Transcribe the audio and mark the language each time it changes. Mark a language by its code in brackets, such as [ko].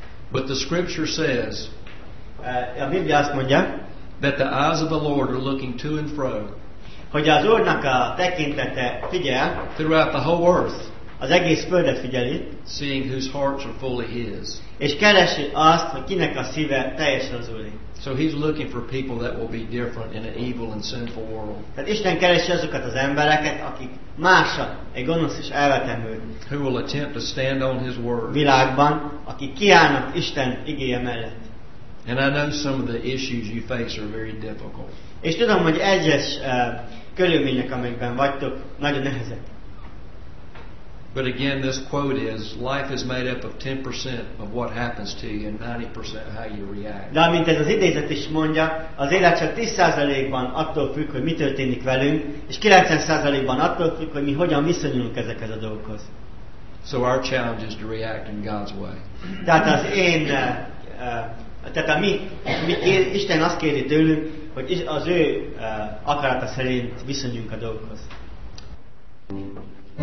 [en] but the scripture says, [hu] a Biblia azt mondja, [en] that the eyes of the Lord are looking to and fro, [hu] hogy az Úrnak a tekintete figyel, [en] throughout the whole earth, [hu] az egész földet figyeli, [en] seeing whose hearts are fully His, [hu] és keresi azt, hogy kinek a szíve teljesen az Úré. [en] So He's looking for people that will be different in an evil and sinful world. [hu] Tehát Isten keresi azokat az embereket, akik másak, egy gonosz és elvetemült, [en] who will attempt to stand on His word, [hu] világban, akik kiállnak Isten igéje mellett. [en] And I know some of the issues you face are very difficult. [hu] És tudom, hogy egyes körülmények, amikben vagytok, nagyon nehezek. [en] But again, this quote is, life is made up of 10% of what happens to you and 90% how you react. [hu] De amint ez az idézet is mondja, az élet csak 10%-ban attól függ, hogy mi történik velünk, és 90%-ban attól függ, hogy mi hogyan viszonyulunk ezekhez a dolgokhoz. [en] So our challenge is to react in God's way. [hu] Tehát az én, tehát a mi kér, Isten azt kéri tőlünk, hogy az ő akarata szerint viszonyunk a dolgokhoz.